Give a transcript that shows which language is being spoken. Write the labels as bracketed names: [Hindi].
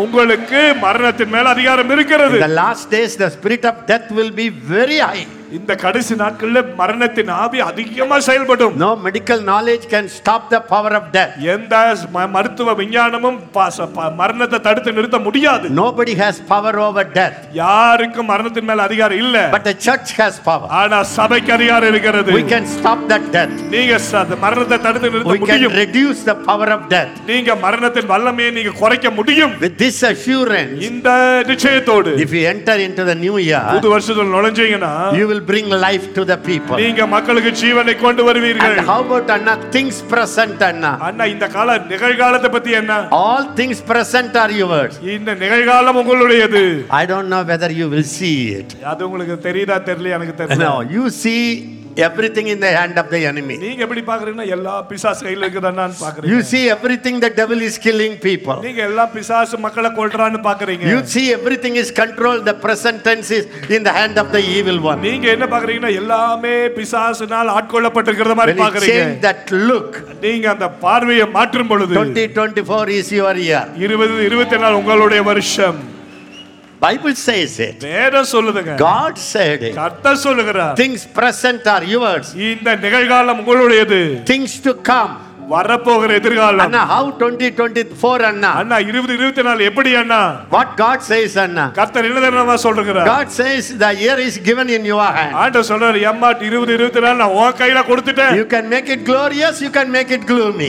[Tamil] உங்களுக்கு மரணத்தின் மேல் அதிகாரம் இருக்கிறது. [English] In the last days, the spirit of death will be very high. [Tamil] இந்த கடைசி நாட்கள்ல மரணத்தின் ஆவி அதிகமா செயல்படும். [English] No medical knowledge can stop the power of death. [Tamil] எந்த மருத்துவ விஞ்ஞானமும் மரணத்தை தடுத்து நிறுத்த முடியாது. [English] Nobody has power over death. [Tamil] யாருக்கு மரணத்தின் மேல் அதிகாரம் இல்ல. [English] But the church has power. [Tamil] ஆனா சபைக்கு அதிகாரம் இருக்கிறது. [English] We can stop that death. [Tamil] நீங்க மரணத்தை தடுத்து நிறுத்த [English] முடியும். We can reduce the power of death. [Tamil] நீங்க மரணத்தின் வல்லமையை நீங்க குறைக்க முடியும். [English] With this assurance, [Tamil] இந்த நிச்சயத்தோடு, [English] if you enter into the new year, [Tamil] புது வருஷத்துல நுழைஞ்சீங்கனா, [English] you will bring life to the people. [Tamil] நீங்க மக்களுக்கு ஜீவனை கொண்டு வருவீர்கள். [English] How about anna things present anna? [Tamil] அண்ணா இந்த கால நிகழ்காலத்தை பத்தி என்ன? [English] All things present are yours. [Tamil] இந்த நிகழ்காலம் உங்களுடையது. [English] I don't know whether you will see it. [Tamil] அது உங்களுக்கு தெரியதா தெரியல எனக்கு தெரியல. [English] No, you see everything in the hand of the enemy. [Tamil] நீங்க எப்படி பாக்குறீங்கன்னா எல்லா பிசாசு கையில இருக்குதான்னு பாக்குறீங்க. [English] You see everything the devil is killing people. [Tamil] நீங்க எல்லா பிசாசு மக்களை கொல்றான்னு பாக்குறீங்க. [English] You see everything is control the present tense is in the hand of the evil one. [Tamil] நீங்க என்ன பாக்குறீங்கன்னா எல்லாமே பிசாசுனால் ஆட்கொள்ளப்பட்டிருக்கிற மாதிரி பாக்குறீங்க. [English] When you change that look, [Tamil] நீங்க அந்த பார்வையை மாற்றும் பொழுது [English] 2024 is your year. [Tamil] 2024 உங்களுடைய வருஷம். [English] Bible says it. [Tamil] வேதம் சொல்லுதுங்க. [English] God said it. [Tamil] கர்த்தர் சொல்லுகிறார். [English] Things present are yours. [Tamil] இந்த நிகழ்காலம் உங்களுடையது. [English] Things to come. [Tamil] வரப்போகிற எதிர்காலம். அண்ணா how 2024 அண்ணா. அண்ணா 2024 எப்படி அண்ணா? [English] What God says அண்ணா. [Tamil] கர்த்தர் என்ன தெரியுமா சொல்றாரு? [English] God says the year is given in your hand. [Tamil] ஆண்டவர் சொல்றாரு அம்மா 2024 நான் உன் கையில கொடுத்துட்டேன். [English] You can make it glorious, you can make it gloomy.